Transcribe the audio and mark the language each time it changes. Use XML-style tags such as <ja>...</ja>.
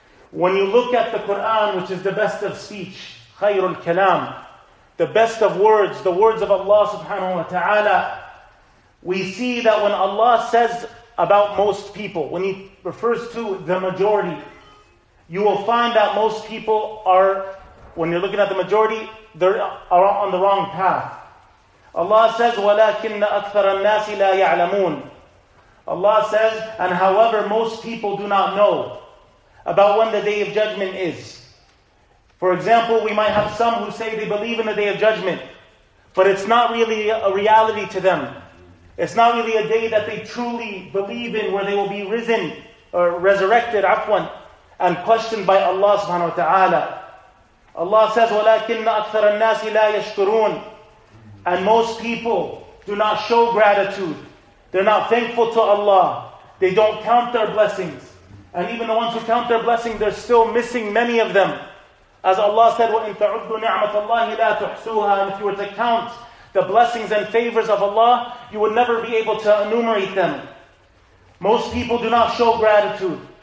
<en>When you look at the Quran, which is the best of speech,</en> <ar>khayrul kalam,</ar> <en>the best of words, the words of Allah subhanahu wa ta'ala, we see that when Allah says about most people, when He refers to the majority, you will find that most people are, when you're looking at the majority, they are on the wrong path.</en> <ar>Allah says, وَلَكِنَّ أَكْثَرَ النَّاسِ لَا يَعْلَمُونَ.</ar> <en>Allah says, and however, most people do not know about when the Day of Judgment is. For example, we might have some who say they believe in the Day of Judgment, but it's not really a reality to them. It's not really a day that they truly believe in where they will be risen or resurrected, عفواً, and questioned by Allah subhanahu wa ta'ala.</en> <ar>Allah says, وَلَكِنَّ أَكْثَرَ النَّاسِ لَا يَشْكُرُونَ.</ar> <en>And most people do not show gratitude. They're not thankful to Allah. They don't count their blessings. And even the ones who count their blessings, they're still missing many of them.</en> <ar>As Allah said, وَإِن تَعُدُّ نِعْمَةَ اللَّهِ لَا تُحْسُوهَا.</ar> <en>And if you were to count the blessings and favors of Allah, you would never be able to enumerate them. Most people do not show gratitude.</en>